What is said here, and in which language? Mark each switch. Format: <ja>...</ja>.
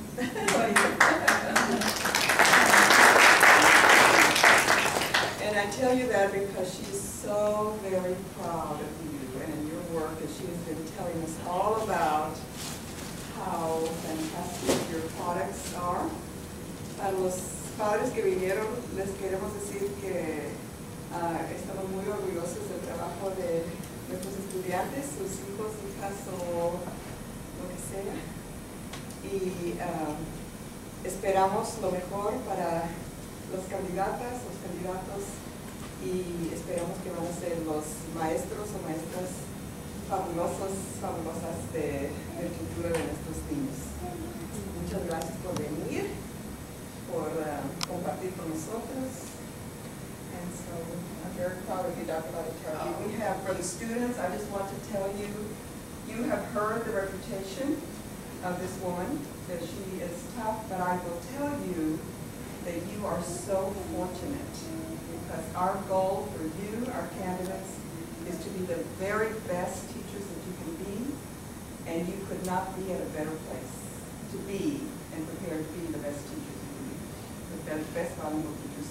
<en>And I tell you that because she's so very proud of you and your work, and she has been telling us all about how fantastic your products are.</en> <es>A los padres que vinieron, les queremos decir que estamos muy orgullosos del trabajo de nuestros estudiantes, sus hijos, hijas, o lo que sea. Y esperamos lo mejor para los candidatas, los candidatos, y esperamos que van a ser los maestros o maestras fabulosos, fabulosas del futuro de nuestros niños. Muchas gracias por venir, por compartir con nosotros.</es> <en>And so, I'm very proud of you, Dr. Vitale. We have, for the students, I just want to tell you, you have heard the reputation of this woman, that she is tough, but I will tell you that you are so fortunate. Because our goal for you, our candidates, is to be the very best teachers that you can be, and you could not be at a better place to be and prepared to be the best teachers you can be, the best bilingual teachers.</en>